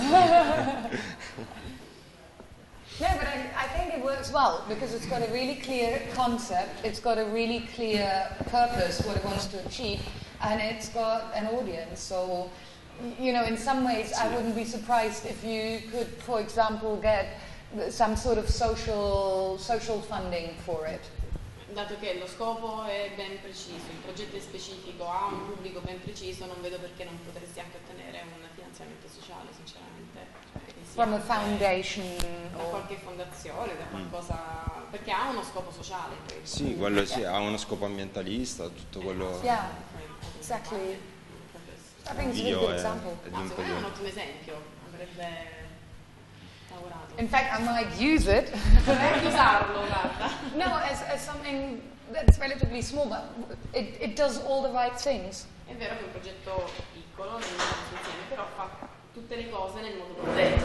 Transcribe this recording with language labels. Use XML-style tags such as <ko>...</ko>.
<en>No, but I think it works well because it's got a really clear concept, it's got a really clear purpose, what it wants to achieve, and it's got an audience. So, you know, in some ways, I wouldn't be surprised if you could, for example, get some sort of social funding for it.</en> <it>Dato che lo scopo è ben preciso, il progetto è specifico, ha un pubblico ben preciso, non vedo perché non potresti anche ottenere un finanziamento sociale, sinceramente.</it> <en>From a foundation,</en> <it>da qualche fondazione, da qualcosa, perché ha uno scopo sociale. Quindi. Sì, quello sì, ha uno scopo ambientalista, tutto quello.</it> <en>Yeah, exactly. I think it's a good example.</en> <it>Ah, secondo me è un ottimo esempio, avrebbe lavorato.</it> <en>In fact, I might use it.</en> <it>Potrei usarlo, guarda.</it> <en>No, as something that's relatively small, but it does all the right things.</en> <it>È vero che è un progetto piccolo, insieme, però fa tutte le cose nel modo corretto.</it>